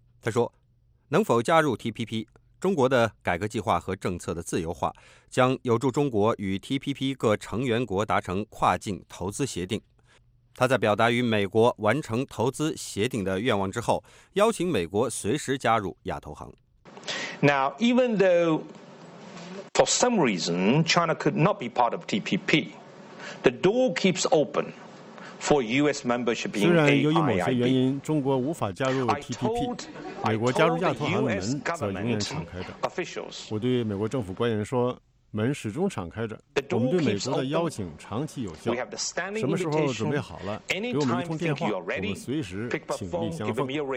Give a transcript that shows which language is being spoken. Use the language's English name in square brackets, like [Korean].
[Chinese] 他说，能否加入 TPP， 中国的改革计划和政策的自由化将有助中国与 TPP 各成员国达成跨境投资协定。他在表达与美国完成投资协定的愿望之后，邀请美国随时加入亚投行。 [English] Now, even though for some reason China could not be part of TPP, the door keeps open for US membership in AIIB. [Chinese] 虽然由于某些原因中国无法加入 TPP， 美国加入亚投行的门则永远敞开着。我对美国政府官员说，门始终敞开着，我们对美国的邀请长期有效。什么时候准备好了，给我们一通电话，我们随时请立相奉。